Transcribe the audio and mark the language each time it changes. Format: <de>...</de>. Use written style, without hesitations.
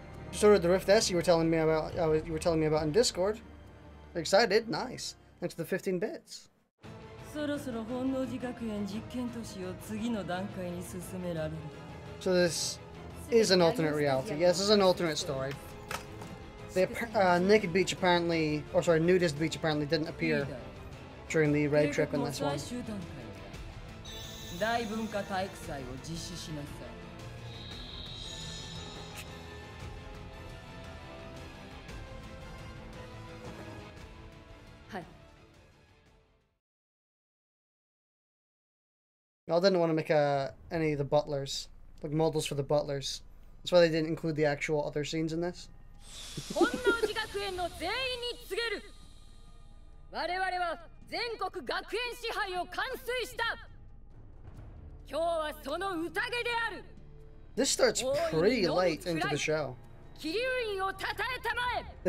<en>Just ordered the Rift S you were telling me about. You were telling me about in Discord. Excited, nice. Thanks for the 15 bits.</en> <ja>そろそろ本能寺学園実験都市を次の段階に進められる。</ja> <en>So this is an alternate reality. Yes, this is an alternate story. The naked beach apparently, or sorry, nudist beach apparently didn't appear during the raid trip in this one.</en> <ja>大文化体育祭を実施しなさい。はい。</ja> <en>I didn't want to make any of the butlers, like models for the butlers. That's why they didn't include the actual other scenes in this.</en> <ja>本能寺学園の全員に告げる。我々は全国学園支配を完遂した。今日はその宴である。</ja> <en>This starts pretty late into the show.</en> <ja>気流院を讃えたまえ。</ja>